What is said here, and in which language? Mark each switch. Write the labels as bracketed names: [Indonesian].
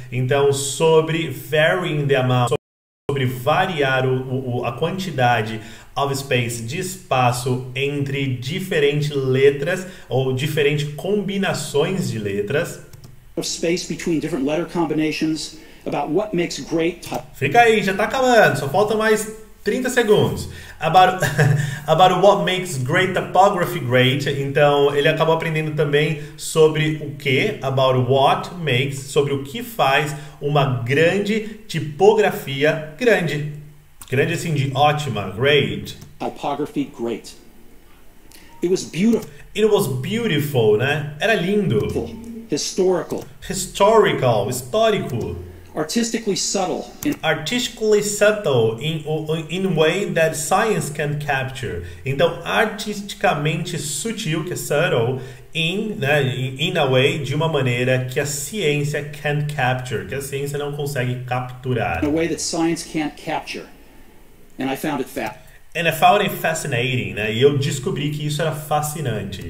[Portuguese] Então sobre [English] varying the amount [Portuguese] sobre variar a quantidade [English] of space, [Portuguese] de espaço entre diferentes letras ou diferentes combinações de letras. [English] Of space between different letter combinations, about what makes great [Portuguese] Fica aí, já tá acabando, só falta mais 30 segundos. [English] About what makes great typography great. [Portuguese] Então, ele acabou aprendendo também sobre o que, [English] about what makes, [Portuguese] sobre o que faz uma grande tipografia grande. Grande assim de ótima, great. [English] Typography great. It was beautiful. It was beautiful, né? [Portuguese] Era lindo. [English] Historical. Historical, histórico. Artistically subtle. Artistically subtle in way that science can capture. [Portuguese] Então, artisticamente sutil, que é subtle, [English] in a way, [Portuguese] de uma maneira que a ciência [English] can capture, [Portuguese] que a ciência não consegue capturar. [English] In a way that science can't capture. And I found it fascinating. And I found it fascinating, [Portuguese] né? E eu descobri que isso era fascinante.